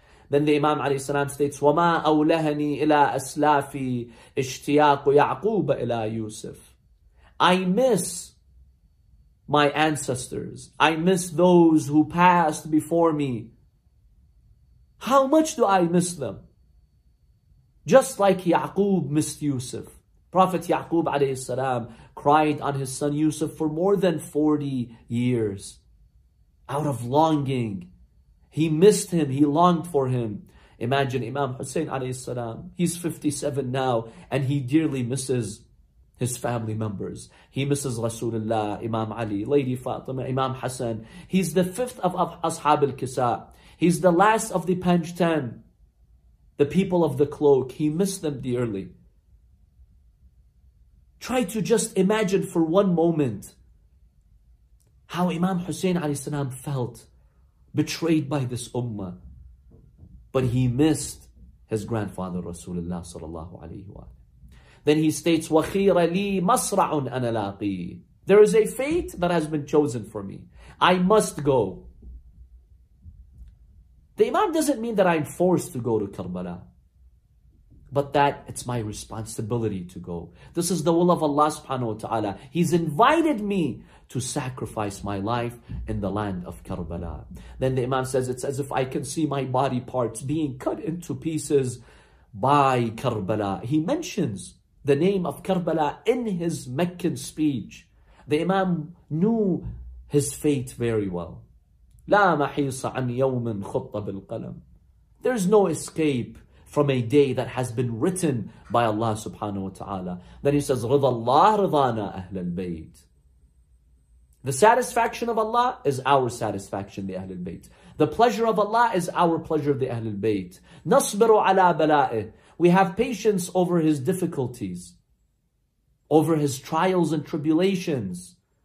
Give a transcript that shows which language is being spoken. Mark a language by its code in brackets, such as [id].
[en] Then the Imam alayhi salam states, [ar] وَمَا أَوْلَهَنِي إِلَىٰ أَسْلَافِي إِشْتِيَاقُ يَعْقُوبَ إِلَىٰ يُوسِفَ. [en] I miss my ancestors. I miss those who passed before me. How much do I miss them? Just like Ya'qub missed Yusuf. Prophet Ya'qub alayhi salam cried on his son Yusuf for more than 40 years out of longing. He missed him. He longed for him. Imagine Imam Hussein alayhi salam. He's 57 now and he dearly misses his family members. He misses Rasulullah, Imam Ali, Lady Fatima, Imam Hassan. He's the fifth of Ashab al-Kisa. He's the last of the Panj Ten, the people of the cloak. He missed them dearly. Try to just imagine for one moment how Imam Hussein alayhi salam felt betrayed by this ummah. But he missed his grandfather Rasulullah sallallahu alayhi wa sallam. Then he states, [ar] وَخِيرَ لِي مَصْرَعٌ أَنَا لَاقِي. [en] There is a fate that has been chosen for me. I must go. The Imam doesn't mean that I'm forced to go to Karbala, but that it's my responsibility to go. This is the will of Allah subhanahu wa ta'ala. He's invited me to sacrifice my life in the land of Karbala. Then the Imam says, it's as if I can see my body parts being cut into pieces by Karbala. He mentions the name of Karbala in his Meccan speech. The Imam knew his fate very well. [ar] لَا مَحِيصَ عَنْ يَوْمٍ خُطَّ بِالْقَلَمِ. [en] There's no escape from a day that has been written by Allah subhanahu wa ta'ala. Then he says, [ar] رِضَ اللَّهِ رِضَانَا أَهْلَ الْبَيْتِ. [en] The satisfaction of Allah is our satisfaction, the Ahlul Bayt. The pleasure of Allah is our pleasure, the Ahlul Bayt. [ar] نَصْبِرُ عَلَىٰ بَلَائِهِ. [en] We have patience over his difficulties, over his trials and tribulations.